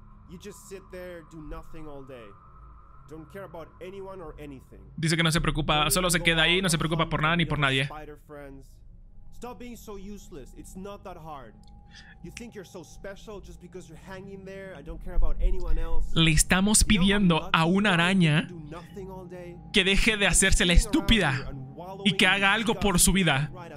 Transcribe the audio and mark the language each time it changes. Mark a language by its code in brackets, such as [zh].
[en] You just sit there, do nothing all day. Don't care about anyone or anything. [es] Dice que no se preocupa, solo se queda ahí, no se preocupa por nada ni por nadie. [en] Stop being so useless. It's not that hard. You think you're so special just because you're hanging there. I don't care about anyone else. [es] Le estamos pidiendo a una araña que deje de hacerse la estúpida y que haga algo por su vida.